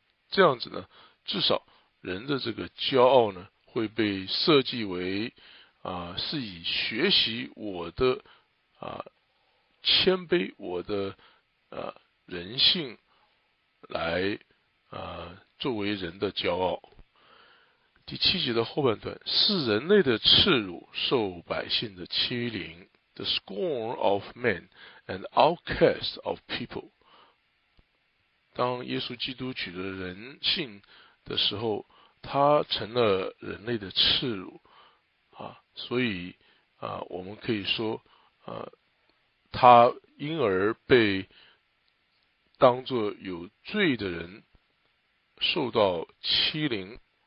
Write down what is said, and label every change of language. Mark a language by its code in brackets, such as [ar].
[zh] 这样子呢，至少人的这个骄傲呢，会被设计为是以学习我的谦卑，我的人性来作为人的骄傲。第七节的后半段，是人类的耻辱，受百姓的欺凌。 [en] The scorn of men and outcast of people。 [zh] 当耶稣基督取得人性的时候，他成了人类的耻辱啊，所以啊，我们可以说，他因而被当作有罪的人受到欺凌。